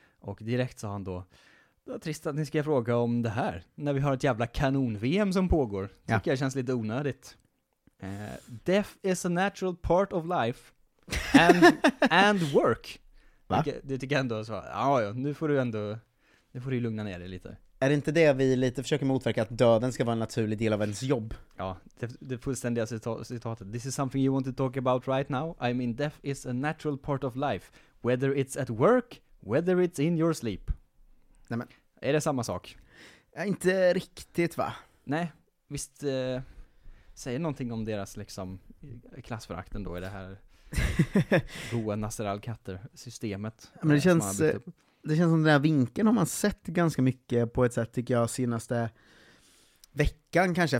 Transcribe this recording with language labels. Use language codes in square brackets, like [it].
[sv] Och direkt sa han då, det är trist att ni ska fråga om det här. När vi har ett jävla kanon-VM som pågår. Tycker jag känns lite onödigt. [en] Death is a natural part of life and work. [sv] Det tycker jag ändå så. Ja, nu får du lugna ner dig lite. Är det inte det vi lite försöker motverka, att döden ska vara en naturlig del av ens jobb? Ja, det fullständiga citatet. [en] This is something you want to talk about right now. I mean, death is a natural part of life, whether it's at work, whether it's in your sleep. [sv] Nej, men är det samma sak? Ja, inte riktigt, va? Nej, visst säger någonting om deras liksom klassförakten då i det här goa Nasser Al-Khater-systemet. Men det känns som den här vinkeln har man sett ganska mycket på ett sätt, tycker jag, senaste veckan kanske.